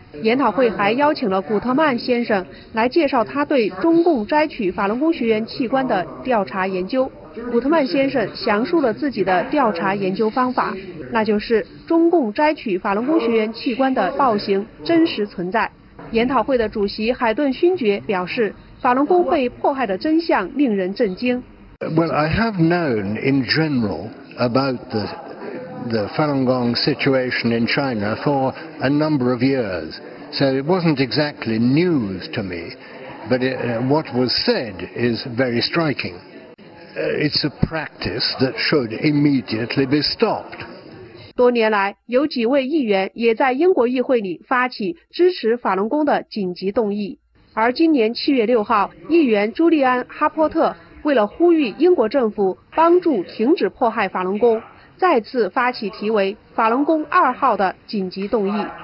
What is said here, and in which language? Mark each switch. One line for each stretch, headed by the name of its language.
Chinese: 研讨会还邀请了古特曼先生来介绍他对中共摘取法轮功学员器官的调查研究。古特曼先生详述了自己的调查研究方法，那就是中共摘取法轮功学员器官的暴行真实存在。研讨会的主席海顿勋爵表示，法轮功被迫害的真相令人震惊。
English: Well, I have known in general about the Falun Gong situation in China for a number of years. So it wasn't exactly news to me, but what was said is very striking. It's a practice that should immediately be stopped.
Chinese: 多年来，有几位议员也在英国议会里发起支持法轮功的紧急动议。而今年7月6号，议员朱利安·哈波特为了呼吁英国政府帮助停止迫害法轮功，再次发起题为《法轮功二号》的紧急动议。